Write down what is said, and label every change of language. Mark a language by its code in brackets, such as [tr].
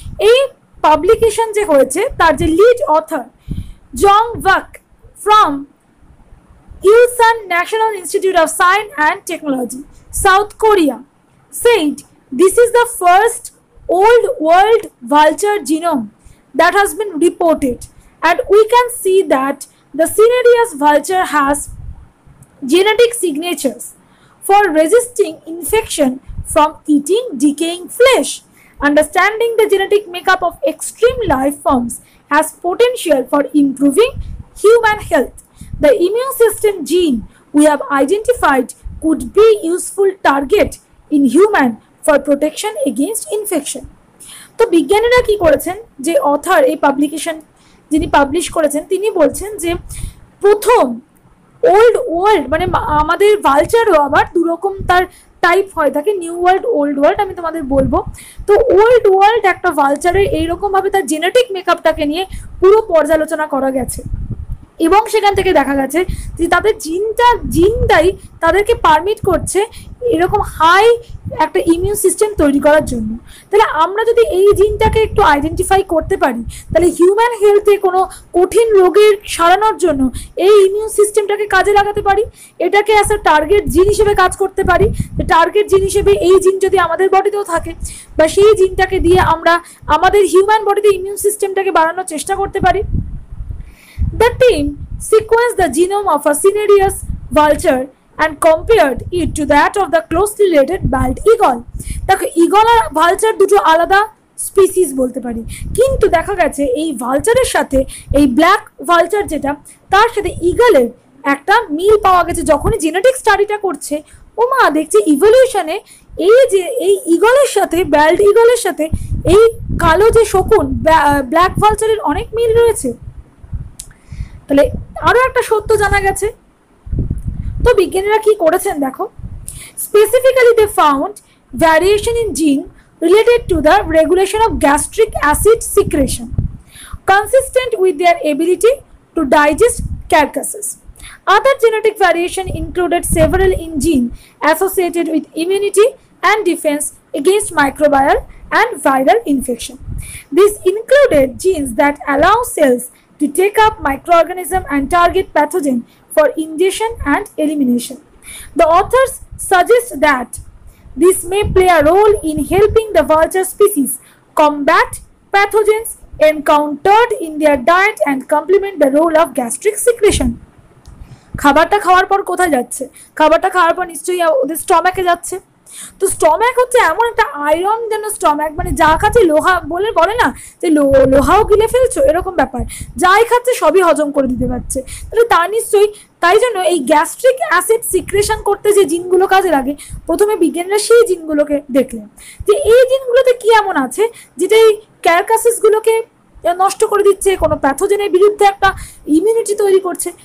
[bn] এই পাবলিকেশন যে হয়েছে তার যে [en] Lead author Jung Bhak from Ulsan National Institute of Science and Technology South Korea said this is the first Old World vulture genome that has been reported and we can see that the cinereous vulture has genetic signatures for resisting infection from eating decaying flesh. Understanding the genetic makeup of extreme life forms has potential for improving human health. The immune system gene we have identified could be a useful target in human for protection against infection. [bn] So, বিজ্ঞানীরা কি করেছেন? যে author এই publication যিনি publish করেছেন তিনি বলছেন যে প্রথম old world মানে আমাদের vulture আবার দুরকম তার টাইপ হয় থাকে, নিউ ওয়ার্ল্ড ওল্ড ওয়ার্ল্ড আমি তোমাদের বলবো। তো ওল্ড ওয়ার্ল্ড একটা ভালচারের এইরকমভাবে তার জেনেটিক মেকআপটাকে নিয়ে পুরো পর্যালোচনা করা গেছে এবং সেখান থেকে দেখা গেছে যে তাদের জিনটা জিনটাই তাদেরকে পারমিট করছে এরকম হাই একটা ইমিউন সিস্টেম তৈরি করার জন্য। তাহলে আমরা যদি এই জিনটাকে একটু আইডেন্টিফাই করতে পারি তাহলে হিউম্যান হেলথে কোনো কঠিন রোগের সারানোর জন্য এই ইমিউন সিস্টেমটাকে কাজে লাগাতে পারি, এটাকে অ্যাজ আ টার্গেট জিন হিসেবে কাজ করতে পারি। টার্গেট জিন হিসেবে এই জিন যদি আমাদের বডিতেও থাকে বা সেই জিনটাকে দিয়ে আমরা আমাদের হিউম্যান বডিতে ইমিউন সিস্টেমটাকে বাড়ানোর চেষ্টা করতে পারি। [en] The team sequenced the genome of a Cinereus vulture and compared it to that of the closely related bald eagle. [bn] দেখো ইগল আর ভালচার দুটো আলাদা স্পিসিস বলতে পারি, কিন্তু দেখা গেছে এই ভালচারের সাথে এই ব্ল্যাক ভালচার যেটা তার সাথে ইগলের একটা মিল পাওয়া গেছে। যখনই জেনেটিক স্টাডিটা করছে ও মা দেখছে ইভলিউশনে এই যে এই ইগলের সাথে ব্যাল্ড ইগলের সাথে এই কালো যে শকুন ব্ল্যাক ভালচারের অনেক মিল রয়েছে। তাহলে আরও একটা সত্য জানা গেছে। তো বিজ্ঞানীরা কী করেছেন দেখো, [en] Specifically they found variation in gene related to the regulation of gastric acid secretion consistent with their ability to digest carcasses. Other genetic variation included several in gene associated with immunity and defence against microbial and viral infection. This included genes that allow cells to take up microorganism and target pathogen for ingestion and elimination. The authors suggest that this may play a role in helping the vulture species combat pathogens encountered in their diet and complement the role of gastric secretion. [bn] খাবারটা খাওয়ার পর কোথায় যাচ্ছে? খাবারটা খাওয়ার পর নিশ্চয়ই ওদের স্টমাকে যাচ্ছে। তো স্টমাক হচ্ছে এমন একটা আয়রন যেন স্টমাক, মানে যা খাচ্ছে লোহা বলে বলে না যে লোহাও গিলে ফেলছো এরকম ব্যাপার, যাই খাচ্ছে সবই হজম করে দিতে পারছে। তাহলে তা নিশ্চয়ই, তাই জন্য এই গ্যাস্ট্রিক অ্যাসিড সিক্রেশন করতে যে জিনগুলো কাজে লাগে প্রথমে বিজ্ঞানীরা সেই জিনগুলোকে দেখলেন যে এই জিনগুলোতে কী এমন আছে যেটা এই ক্যারকাসিসগুলোকে নষ্ট করে দিচ্ছে, কোনো প্যাথোজেনের বিরুদ্ধে একটা ইমিউনিটি তৈরি করছে।